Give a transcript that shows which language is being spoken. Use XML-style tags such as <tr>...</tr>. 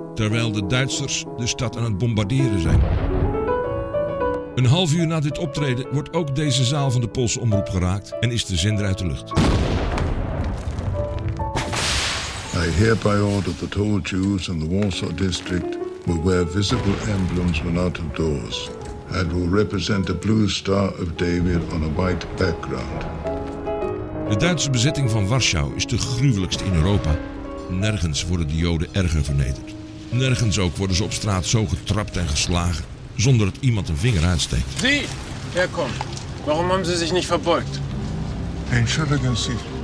<nl>Terwijl de Duitsers de stad aan het bombarderen zijn. Een half uur na dit optreden wordt ook deze zaal van de Poolse omroep geraakt en is de zender uit de lucht.</nl> <en>I hereby order that all Jews in the Warsaw district will wear visible emblems when out of doors and will represent a blue star of David on a white background.</en> <nl>De Duitse bezetting van Warschau is de gruwelijkste in Europa. Nergens worden de Joden erger vernederd. Nergens ook worden ze op straat zo getrapt en geslagen, zonder dat iemand een vinger uitsteekt. Die, ja, kom. Waarom hebben ze zich niet verbeugd?</nl> <de>Entschuldigung, Sie.</de>